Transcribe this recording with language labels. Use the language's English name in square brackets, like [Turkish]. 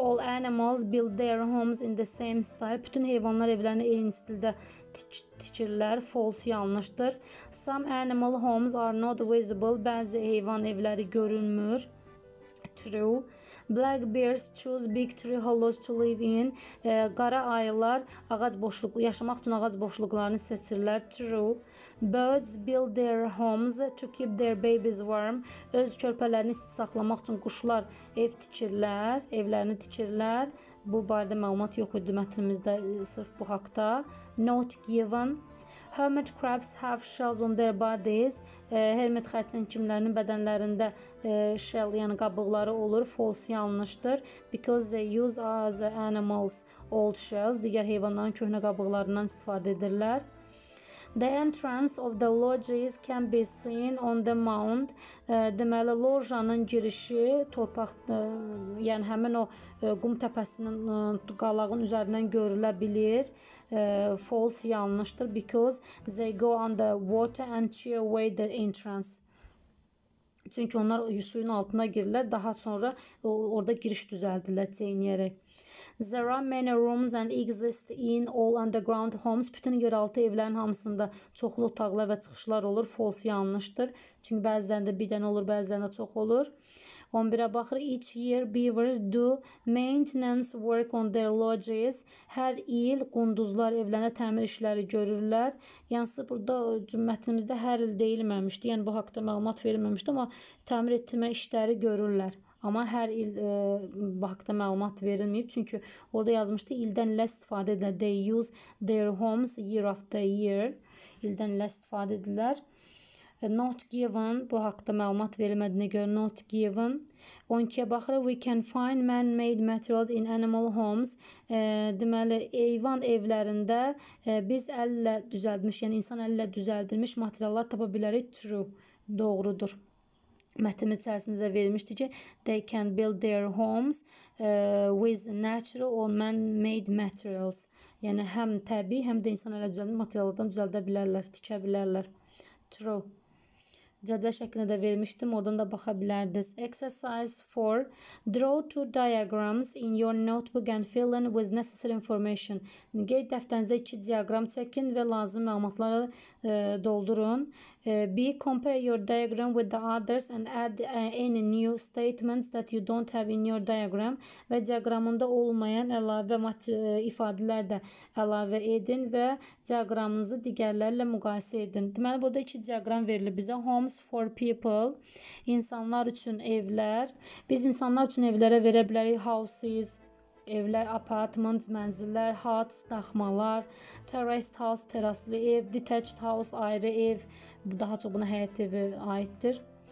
[English] All animals build their homes in the same style. [Azerbaijani] Bütün heyvanlar evlərini eyni stildə tikirlər. False, yanlışdır. [English] Some animal homes are not visible. [Azerbaijani] Bəzi heyvan evləri görünmür. True. [English] Black bears choose big tree hollows to live in. [Azerbaijani] Qara ayılar ağac boşluqlu yaşamaq üçün ağac boşluqlarını seçirlər. [English] True. Birds build their homes to keep their babies warm. [Azerbaijani] Öz körpələrini isti saxlamaq üçün quşlar ev tikirlər, evlərini tikirlər. Bu barədə məlumat yox idi mətnimizdə sırf bu haqda. [English] Not given. Hermit crabs have shells on their bodies. [Azerbaijani] Hermit xərçəng kimlərinin bədənlərində shell, yəni qabıqları olur. False, yanlışdır. [English] Because they use as animals old shells. [Azerbaijani] Digər heyvanların köhnə qabıqlarından istifadə edirlər. [English] The entrance of the lodges can be seen on the mound. [Azerbaijani] Deməli, lojanın girişi torpaq, yəni həmin o qum təpəsinin qalağın üzərindən görülə bilir. False, yanlışdır. [English] Because they go on the water and cheer away the entrance. [Azerbaijani] Çünki onlar suyun altına girirlər, daha sonra orada giriş düzəldirlər çeynəyərək. [English] There are many rooms and exist in all underground homes. [Azerbaijani] Bütün yeraltı evlərin hamısında çoxlu otaqlar və çıxışlar olur. False, yanlışdır. Çünki bəzilərində bir dənə olur, bəzilərində çox olur. 11-ə baxır. [English] Each year beavers do maintenance work on their lodges. [Azerbaijani] Hər il qunduzlar evlərinə təmir işləri görürlər. Yəni, burada cümlətimizdə hər il deyilməmişdi. Yəni, bu haqda məlumat verilməmişdi, amma təmir etmə işləri görürlər. Amma hər il haqda məlumat verilməyib. Çünki orada yazmışdı, ildən ilə istifadə edilər. [English] They use their homes year after year. [Azerbaijani] İldən ilə istifadə edilər. not given, bu haqda məlumat verilmədiyinə görə not given. 12-yə baxırıq, [English] we can find man-made materials in animal homes. [Azerbaijani] Deməli, heyvan evlərində biz əllə düzəldilmiş, yəni insan əllə düzəldilmiş materiallar tapa bilərik, true, doğrudur. Mətnimiz içərisində də verilmişdir ki, [English] they can build their homes with natural or man-made materials. [Azerbaijani] Yəni, həm təbii, həm də insan əllə düzəldilmiş materiallardan düzəldə bilərlər, tikə bilərlər. True. Cədvəl şəklində də vermişdim, oradan da baxa bilərdiniz. [English] Exercise 4. Draw two diagrams in your notebook and fill in with necessary information. [Azerbaijani] Qeyd dəftərinizə iki diagram çəkin və lazım məlumatları doldurun. B. [English] Compare your diagram with the others and add any new statements that you don't have in your diagram. [Azerbaijani] Və diagramında olmayan əlavə ifadələr də əlavə edin və diagramınızı digərlərlə müqayisə edin. Deməli, burada iki diagram verilir bizə. [English] Homes for people, [Azerbaijani] insanlar üçün evlər. Biz insanlar üçün evlərə verə bilərik houses, evlər, apartments, mənzillər, huts, daxmalar, terraced house, teraslı ev, detached house, ayrı ev, bu daha çox buna həyət evi aiddir.